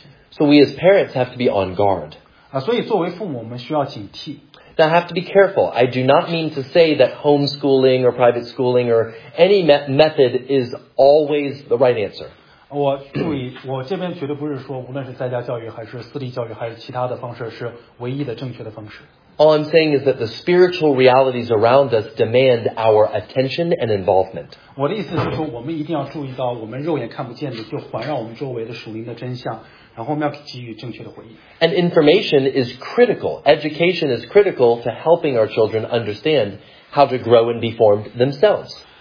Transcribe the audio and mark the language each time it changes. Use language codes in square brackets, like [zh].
[en] So we as parents have to be on guard. Now, I have to be careful. I do not mean to say that homeschooling or private schooling or any method is always the right answer. [zh] 我注意，我这边绝对不是说，无论是在家教育，还是私立教育，还是其他的方式，是唯一的正确的方式。 [en] All I'm saying is that the spiritual realities around us demand our attention and involvement. [zh] 我的意思是说，我们一定要注意到我们肉眼看不见的，就环绕我们周围的属灵的真相，然后我们要给予正确的回应。And [en] information is critical. Education is critical to helping our children understand how to grow and be formed themselves.